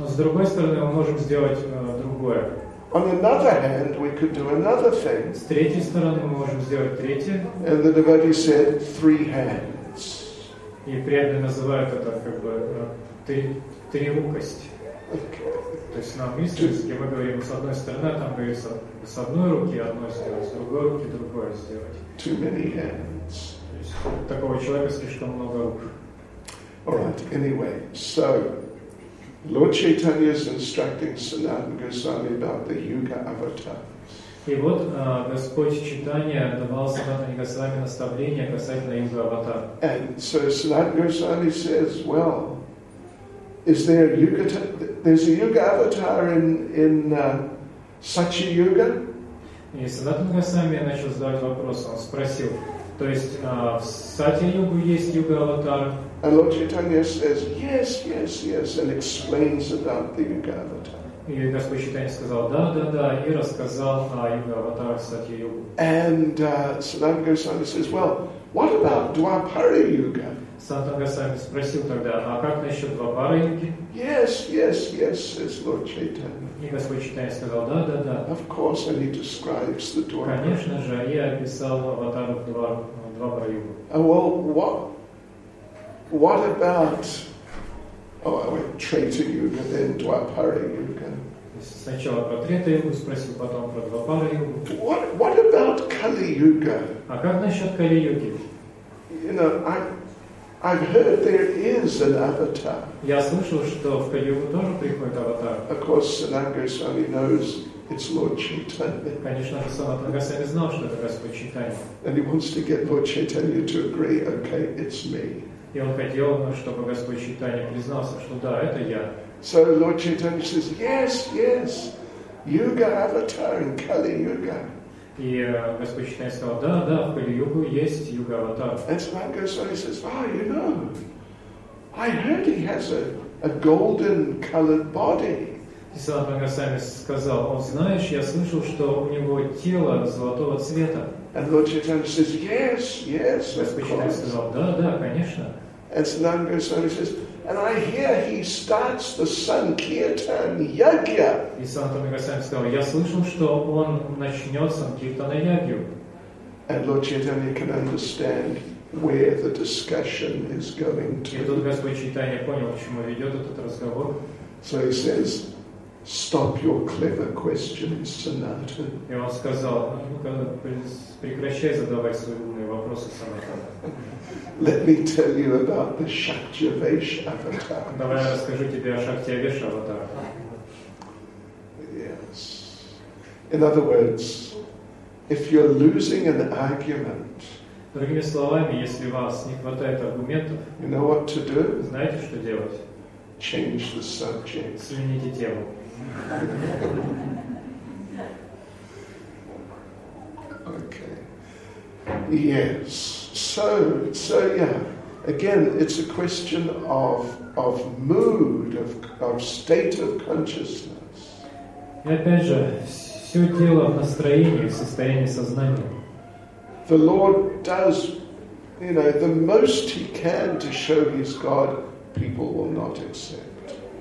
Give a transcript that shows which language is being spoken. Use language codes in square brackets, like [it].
[ru] С другой стороны, мы можем сделать другое. [en] On another hand, we could do another thing. [ru] С третьей стороны, мы можем сделать третье. [en] And the devotee said, three hands. [ru] И преданные называют это как бы три рукости. [en] Okay. [ru] То есть на английском мы говорим, с одной стороны, там говорится, с одной руки одно сделать, с другой руки другое сделать. [en] Too many hands. [ru] То есть такого человека слишком много рук. [en] Alright, anyway, so Lord Chaitanya is instructing Sanatana Goswami about the Yuga Avatars. [ru] И вот Господь Чайтанья давал Санатане Госвами наставление касательно Юга Аватар. [en] And so Sanatana Goswami says, well, is there a Yuga? There's a Yuga Avatar in Sachi Yuga? [ru] И Санатана Госвами начал задавать вопрос, он спросил, то есть в Сати Югу есть Юга Аватар? [en] And Lord Chaitanya says, yes, yes, yes, and explains about the Yuga Avatar. [ru] И Господь Чайтанья сказал, да, да, да, и рассказал о Юга Аватаре, кстати, Югу. [en] And Sanatana Goswami says, well, what about Dwapara Yuga? [ru] Санатана Госвами спросил тогда, а как насчет Двапара Юги? [en] Yes, yes, yes, says Lord Chaitanya. [ru] И Господь Чайтанья сказал, да, да, да. [en] Of course, and he describes the Dwapara. [ru] Конечно же, я описал Аватару Двапара Югу. [en] Well, what? What about, oh, I went Treta Yuga, then Dwapara Yuga. [ru] Сначала про Трета Югу спросил, потом про Двапара Югу. [en] What about Kali Yuga? [ru] А как насчет Кали Юги? [en] You know, I've heard there is an avatar. [ru] Я слышал, что в Кали Югу тоже приходит аватар. [en] Of course, Sanatana Goswami knows it's Lord Chaitanya. [ru] Конечно, Санатана Госвами знал, что это Господь Чайтанья. [en] And he wants to get Lord Chaitanya to agree, okay, it's me. [ru] И он хотел, чтобы Господь Чайтанья признался, что да, это я. [en] So Lord Chaitanya says, yes, yes, Yuga Avatar in Kali Yuga. [ru] И Господь Чайтанья сказал, да, да, в Кали Югу есть Юга Аватар. [en] And Sanatana Goswami says, ah, you know, I heard he has a golden colored body. [ru] И Санатана Госвами сказал, он знаешь, я слышал, что у него тело золотого цвета. [en] And Lord Chaitanya says, yes, yes, of course. [ru] Сказал, да, да, конечно. [en] And Sanatana Goswami says, and I hear he starts the Sankirtan Yagya. [ru] И Санатана Госвами сказал, я слышал, что он начнет Санкиртана Ягью. [en] And Lord Chaitanya can understand where the discussion is going to. [ru] И тут Господь Чайтанья понял, к чему ведет этот разговор. [en] So he says, stop your clever questions, Sanatana. [ru] И он сказал, прекращай задавать свои умные вопросы, Санатана. [en] Let me tell you about the Shaktyavesh Avatar. [ru] Давай я расскажу тебе о Shaktyavesh Avatar. [en] Yes. In other words, if you're losing an argument, [ru] другими словами, если у вас не хватает аргументов, [en] you know what to do? [ru] Знаете, что делать? [en] Change the subject. [ru] Смените тему. [en] Okay. Yes. So yeah. Again, it's a question of mood, of state of consciousness. [ru] И опять же, все дело в настроении, в состоянии сознания. [en] The Lord does, you know, the most he can to show he's God, people will not accept.